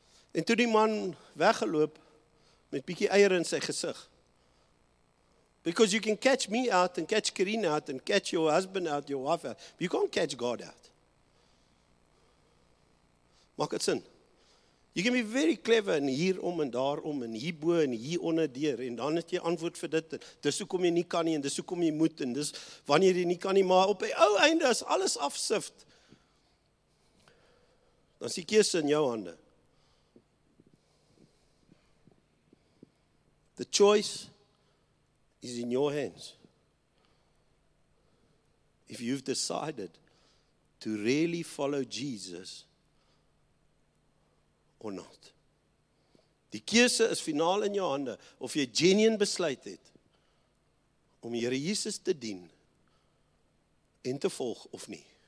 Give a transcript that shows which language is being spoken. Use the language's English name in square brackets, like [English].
[Afrikaans] En toe die man weggeloop met bietjie eier in sy gesig. [English] Because you can catch me out and catch Karina out and catch your husband out, your wife out. But you can't catch God out. [Afrikaans] Maak het sin. [English] You can be very clever [Afrikaans] en hierom en daarom en hierbo en hieronder deur en dan het jy antwoord vir dit. Dis hoekom jy nie kan nie en dis hoekom jy moet en dis wanneer jy nie kan nie. Maar op die ou einde is alles afsift. Dan is die keuse in jou hande. [English] The choice is in your hands. If you've decided to really follow Jesus or not. [Afrikaans] Die keuse is finaal in jou hande of jy genuine besluit het om Here Jesus te dien en te volg of nie.